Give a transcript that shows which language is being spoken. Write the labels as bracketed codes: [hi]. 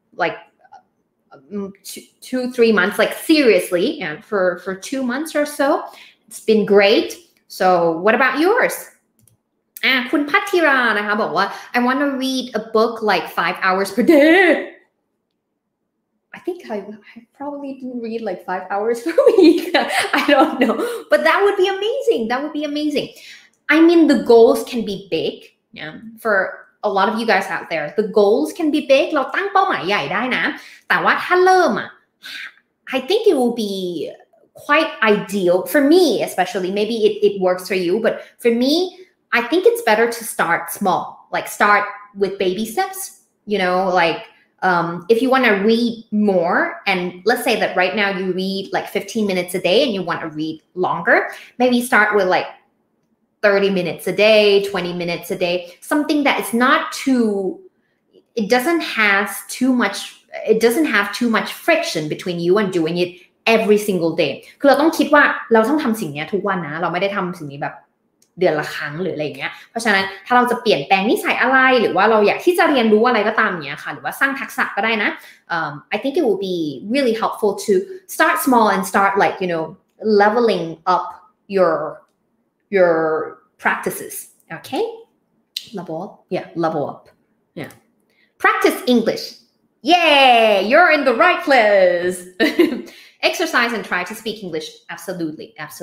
[en] like 2-3 months like seriously and for 2 months or so it's been great so what about yours [th] คุณพัทธิรานะคะบอกว่า [en] I want to read a book like 5 hours per day I think I probably didn't read like 5 hours per week I don't know but that would be amazing that would be amazing I mean the goals can be big yeah forA lot of you guys out there, the goals can be big. [th] เราตั้งเป้าหมายใหญ่ได้นะ แต่ว่าถ้าเริ่มอ่ะ [en] I think it will be quite ideal for me, especially. Maybe it works for you, but for me, I think it's better to start small, like start with baby steps. You know, like if you want to read more, and let's say that right now you read like 15 minutes a day, and you want to read longer, maybe start with like. 30 minutes a day, 20 minutes a day, something that is not too, it doesn't have too much friction between you and doing it every single day. [th] คือเราต้องคิดว่าเราต้องทำสิ่งนี้ทุกวันนะเราไม่ได้ทำสิ่งนี้แบบ เดือนละครั้งหรืออะไรเงี้ยเพราะฉะนั้นถ้าเราจะเปลี่ยนแปลงนิสัยอะไรหรือว่าเราอยากที่จะเรียนรู้อะไรก็ตามเงี้ยค่ะหรือว่าสร้างทักษะก็ได้นะ [en] I think it will be really helpful to start small and start like, you know, leveling up your practices okay level up yeah practice english yay you're in the right place exercise and try to speak english absolutely